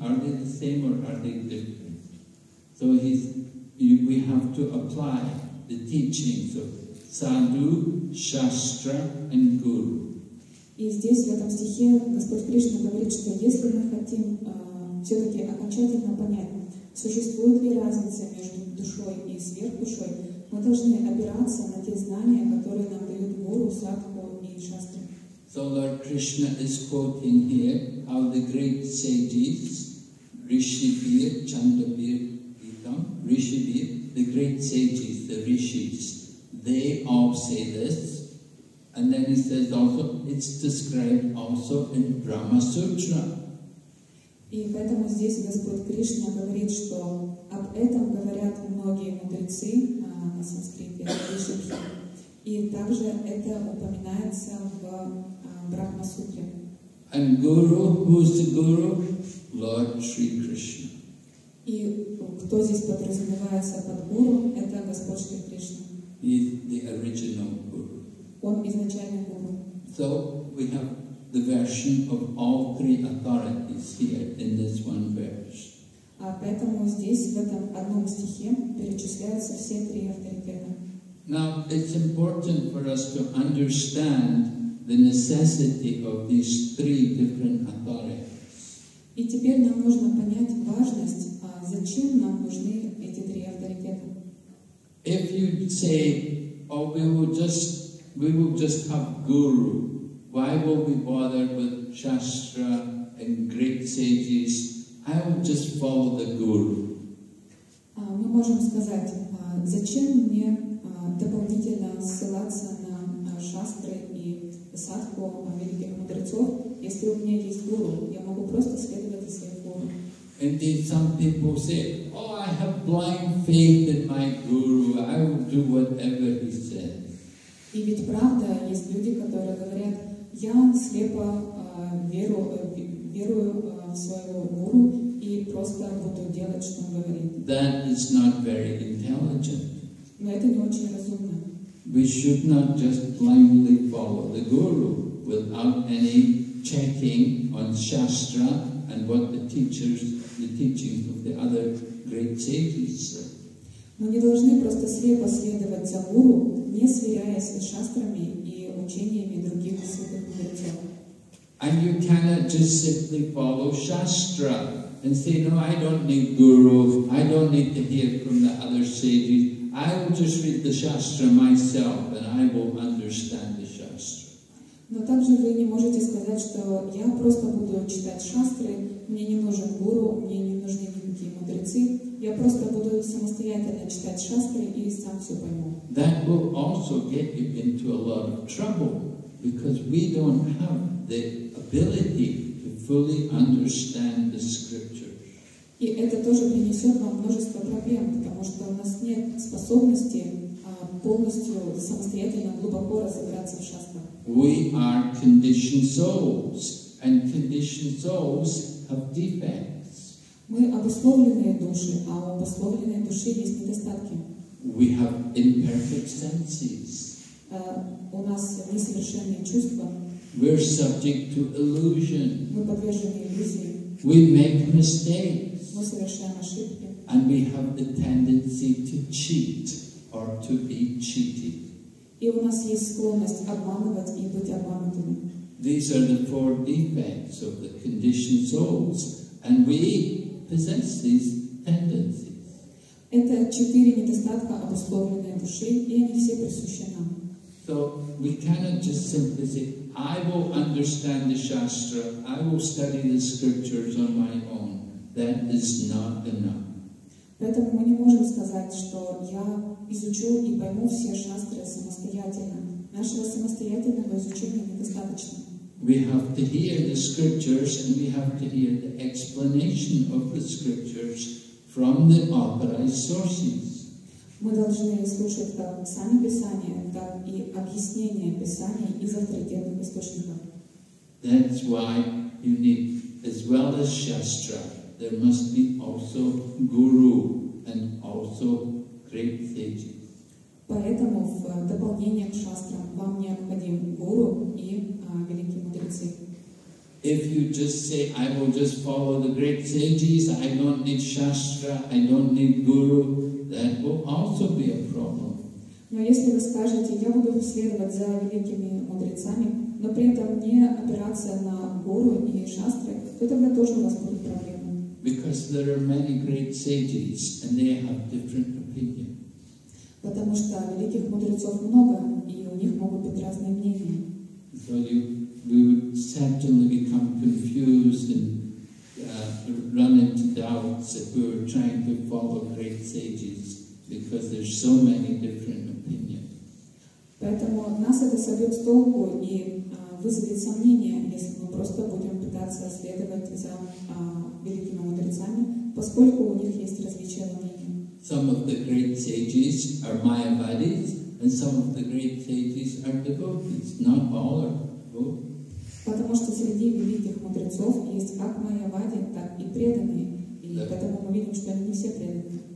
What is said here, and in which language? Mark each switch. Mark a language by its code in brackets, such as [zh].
[en] Are they the same or are they different? So we have to apply the teachings of sadhu, shastra, and guru. [ru] И здесь, в этом стихе, Господь Кришна говорит, что если мы хотим все-таки окончательно понять, существует ли разница между душой и сверхдушой, мы должны опираться на те знания, которые нам дают гуру [en] So Lord Krishna is quoting here how the great sages, Rishibir, Chandabir, Gitam, Rishibir, the great sages, the rishis, they all say this. And then he says also, it's described also in Brahma Sutra. [ru] И поэтому здесь Господь Кришна говорит, что об этом говорят многие мудрецы на санскрите, и также это упоминается в Брахма Сутре. [en] And Guru, who is the Guru? Lord Sri Krishna. [ru] И кто здесь подразумевается под Гуру? Это Господь Шри Кришна. [en] He is the original Guru. [ru] Он изначальный Гуру. [en] So we have the version of all three authorities here in this one verse. [ru] Поэтому здесь, в этом одном стихе, перечисляются все три авторитета. [en] Now, it's important for us to understand the necessity of these three different authorities. [ru] И теперь нам нужно понять важность, зачем нам нужны эти три авторитета. [en] If you say, oh, we will just have guru, why will we bother with Shastra and great sages? I will just follow the Guru. [ru] Мы можем сказать, зачем мне дополнительно ссылаться на Шастры и Садху великих мудрецов, если у меня есть Гуру, я могу просто следовать своей Гуру. [en] Indeed, some people say, oh, I have blind faith in my Guru, I will do whatever he says. [ru] И ведь правда, есть люди, которые говорят, я слепо верую в своего гуру и просто буду делать, что он говорит. [en] That is not very intelligent. [ru] Но это не очень разумно. [en] We should not just blindly follow the guru without any checking on shastra and what the teachings of the other great sages say. [ru] Мы не должны просто слепо следовать за гуру, не сверяясь с шастрами и учениями других святых. [en] And you cannot just simply follow Shastra and say, no, I don't need Guru, I don't need to hear from the other sages, I will just read the Shastra myself and I will understand the Shastra. [ru] Но также вы не можете сказать, что я просто буду читать Шастры, мне не нужен Гуру, мне не нужны никакие мудрецы, я просто буду самостоятельно читать Шастры и сам все пойму. [en] That will also get you into a lot of trouble. Because we don't have the ability to fully understand the scriptures. [ru] И это тоже принесет вам множество проблем, потому что у нас нет способности полностью самостоятельно глубоко разобраться в шастрах. [en] We are conditioned souls, and conditioned souls have defects. [ru] Мы обусловленные души, а у обусловленной души есть недостатки. [en] We have imperfect senses. [ru] У нас несовершенные чувства. [en] We're subject to illusion. [ru] Мы подвержены иллюзии. [en] We make mistakes. [ru] Мы совершаем ошибки. [en] And we have the tendency to cheat or to be cheated. [ru] И у нас есть склонность обманывать и быть обманутыми. [en] These are the four defects of the conditioned souls, and we possess these tendencies. [ru] Это четыре недостатка обусловленные души, и они все присущи нам. [en] So we cannot just simply say, I will understand the Shastra, I will study the scriptures on my own. That is not enough. [ru] Поэтому мы не можем сказать, что я изучу и пойму все шастры самостоятельно. Нашего самостоятельного изучения недостаточно. [en] We have to hear the scriptures and we have to hear the explanation of the scriptures from the authorized sources. [ru] Мы должны слушать как сами Писания, так и объяснение Писания из авторитетных источников. [en] That's why you need, as well as Shastra, there must be also Guru and also great sages. [ru] Поэтому в дополнение к Шастрам вам необходим Гуру и великие мудрецы. [en] If you just say, I will just follow the great sages, I don't need Shastra, I don't need Guru, that will also be a problem. [ru] Но если вы скажете, я буду следовать за великими мудрецами, но при этом не опираться на Гуру и Шастры, то тогда тоже у вас будет проблема. [en] Because there are many great sages and they have different opinions. [ru] Потому что великих мудрецов много, и у них могут быть разные мнения. [en] So you wisdom run into doubts if we were trying to follow great sages, because there's so many different opinions. [ru] Поэтому нас это собьет с толку и вызовет сомнения, если мы просто будем пытаться следовать за великими мудрецами, поскольку у них есть различия во мнении. [en] Some of the great sages are Mayavadis, and some of the great sages are devotees. Not all are devotees. [ru] Потому что среди великих мудрецов есть как Майявади, так и преданные. И поэтому мы видим, что они не все преданные.